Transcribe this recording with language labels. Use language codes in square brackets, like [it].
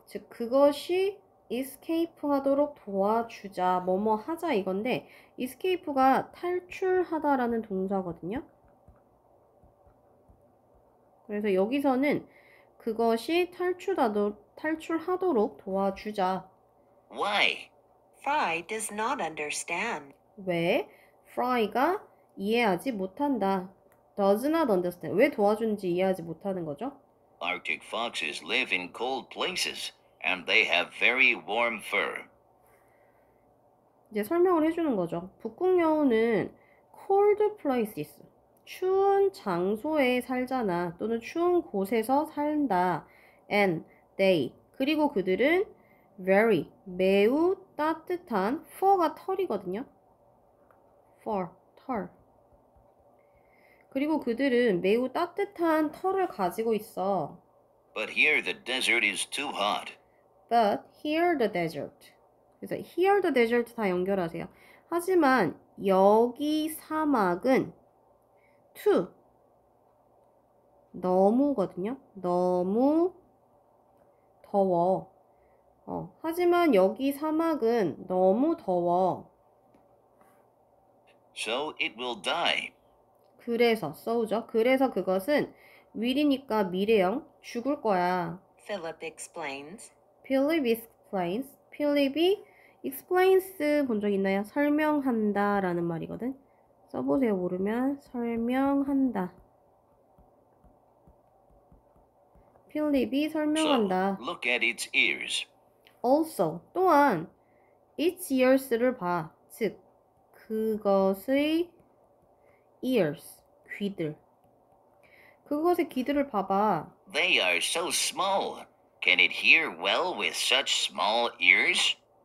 [ko] 즉 그것이 escape하도록 도와주자. 뭐뭐 하자 이건데 escape가 탈출하다라는 동사거든요. 그래서 여기서는 그것이 탈출하도록 도와주자. [en] Why? Fry does not understand. [ko] 왜? Fry가 이해하지 못한다. [en] Does not understand. [ko] 왜 도와주는지 이해하지 못하는 거죠? [en] Arctic foxes live in cold places and they have very warm fur. [ko] 이제 설명을 해주는 거죠. 북극 여우는 [en] cold places, [ko] 추운 장소에 살잖아. 또는 추운 곳에서 산다. [en] And they. [ko] 그리고 그들은 very, 매우 따뜻한 for가 털이거든요. for, 털. 그리고 그들은 매우 따뜻한 털을 가지고 있어. [en] But here the desert is too hot. But here the desert. [ko] 그래서 [en] here the desert [ko] 다 연결하세요. 하지만 여기 사막은 too. 너무거든요. 너무 더워. 하지만 여기 사막은 너무 더워. [en] So it will die. [ko] 그래서, so죠. 그래서 그것은 will이니까 미래형 죽을 거야. [en] Philip explains. Philip explains. Philip explains [ko] 본적 있나요? 설명한다라는 말이거든. 써보세요. 모르면 설명한다. Philip이 [en] So, [ko] 설명한다. [en] look at its ears. [ko] Also, 또한 [en] its ears [ko] 를 봐. 즉, 그것의 ears, 귀들. 그것의 귀들을 봐봐. [en] They are so small. Can it hear well with such small ears?